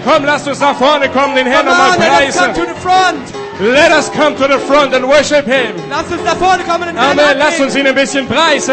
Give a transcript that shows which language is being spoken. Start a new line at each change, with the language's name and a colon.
German: Komm, lasst uns nach vorne kommen, den Herrn nochmal preisen.
English: Let us come to the front and worship Him.
German: Lasst uns nach vorne kommen und Amen. Lasst uns ihn ein bisschen preisen.